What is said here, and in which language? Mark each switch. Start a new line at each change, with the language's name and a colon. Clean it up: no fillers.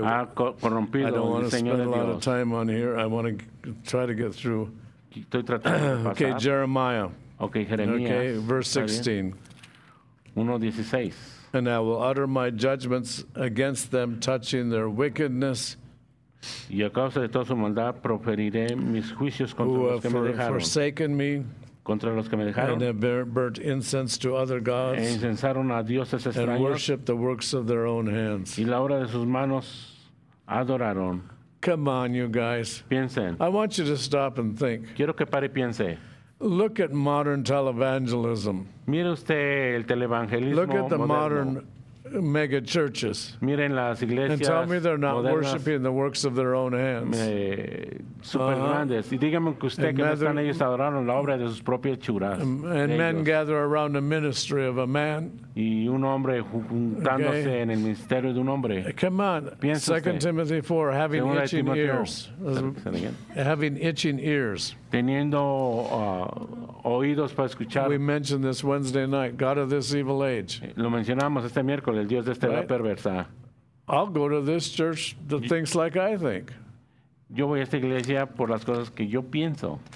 Spanish: ha corrompido el diseño de Dios.
English: I don't want to spend a lot of time on here. I want to try to get through.
Spanish: Estoy tratando de pasar.
English: Okay, Jeremiah.
Spanish: Okay, Jeremías.
English: Okay, verse 16. 1:16. And I will utter my judgments against them, touching their wickedness.
Spanish: Y a causa de toda su maldad, proferiré mis juicios contra los que me dejaron.
English: Who have forsaken me.
Spanish: Contra los que me dejaron,
English: and have burnt incense to other gods,
Spanish: e incensaron a dioses extraños,
English: and worshipped the works of their own hands.
Spanish: Y la obra de sus manos adoraron.
English: Come on, you guys.
Spanish: Piensen.
English: I want you to stop and think.
Spanish: Quiero que pare y piense.
English: Look at modern televangelism.
Spanish: Mire usted el televangelismo
English: look at the
Spanish: moderno.
English: Modern mega churches.
Spanish: Miren las iglesias
English: and tell me they're not
Spanish: modernas,
English: worshiping the works of their own hands.
Spanish: Super grandes. Y díganme que usted que no están ellos adorando la obra de sus propias churas.
English: And men gather around the ministry of a man.
Spanish: Y un hombre juntándose okay. en el ministerio de un hombre.
English: Come on.
Spanish: Piense
English: 2 Timothy 4, having itching ears. Having itching ears.
Spanish: Teniendo oídos para escuchar.
English: We mentioned this Wednesday night, God of this evil age.
Spanish: Lo mencionamos este miércoles, Dios de esta era perversa.
English: I'll go to this church that thinks like I think.
Spanish: Yo voy a esta iglesia por las cosas que yo pienso.